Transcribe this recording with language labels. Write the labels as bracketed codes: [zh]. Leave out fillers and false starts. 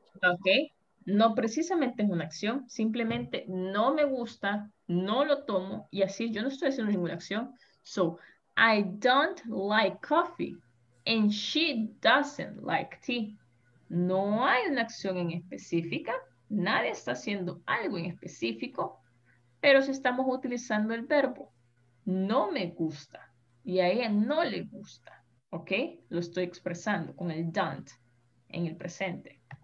[es] Ok, no precisamente es una acción, simplemente no me gusta, no lo tomo, y así yo no estoy haciendo ninguna acción. [en] So, I don't like coffee, and she doesn't like tea. [es] No hay una acción en específica, nadie está haciendo algo en específico, pero si estamos utilizando el verbo, no me gusta, y a ella no le gusta, ok, lo estoy expresando con el don't en el presente.